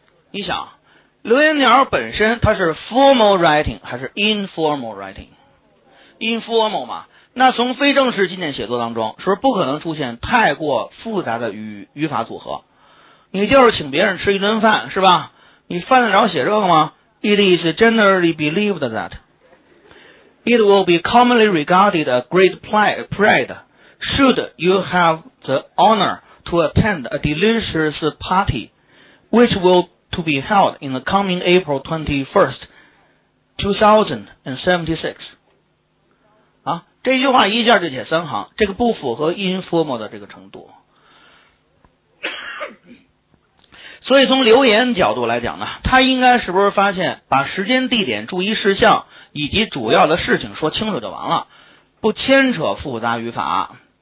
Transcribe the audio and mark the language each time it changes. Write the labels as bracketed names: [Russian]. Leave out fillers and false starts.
[Chinese] 你想，留言条本身它是 [English] formal writing [Chinese] 还是 [English] informal writing？ [Chinese] informal 嘛，那从非正式信件写作当中，是不可能出现太过复杂的语法组合。你就是请别人吃一顿饭，是吧？你犯得着写这个吗 [English] ？It is generally believed that it will be commonly regarded a great pride should you have the honor to attend a delicious party, which will to be held in the coming April 21st, 2076。 [Chinese] 啊，这句话一下就写三行，这个不符合 informal 的这个程度。所以从留言角度来讲呢，他应该是不是发现把时间、地点、注意事项以及主要的事情说清楚就完了，不牵扯复杂语法。